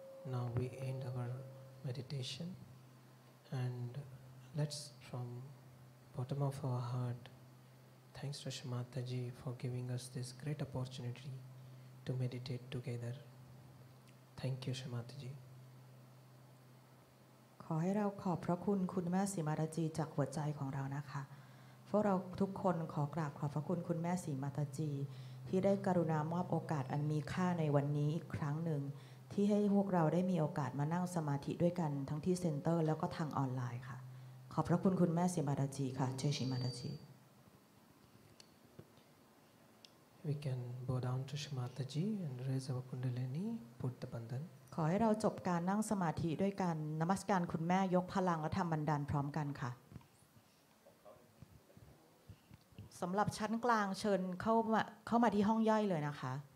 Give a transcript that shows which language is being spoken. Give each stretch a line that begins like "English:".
English: Now we end our meditation and let's from bottom of our heart thanks to Jai Mataji for giving us this great opportunity to meditate together. Thank you, Jai Mataji.
Thai: ขอให้เราขอบพระคุณคุณแม่ศรีมาตาจีจากหัวใจของเรานะคะพวกเราทุกคนขอกราบขอบพระคุณคุณแม่ศรีมาตาจีที่ได้กรุณามอบโอกาสอันมีค่าในวันนี้อีกครั้งหนึ่งที่ให้พวกเราได้มีโอกาสมานั่งสมาธิด้วยกันทั้งที่เซ็นเตอร์แล้วก็ทางออนไลน์ค่ะขอบพระคุณคุณแม่ศรีมาตาจีค่ะเจชิมาตาจี
English: We can bow down to Shimataji and raise our Kundalini, put the bandhan
Thai: ขอให้เราจบการนั่งสมาธิด้วยการนมัสการคุณแม่ยกพลังและทำบันดาลพร้อมกันค่ะสำหรับชั้นกลางเชิญเข้ามาที่ห้องย่อยเลยนะคะ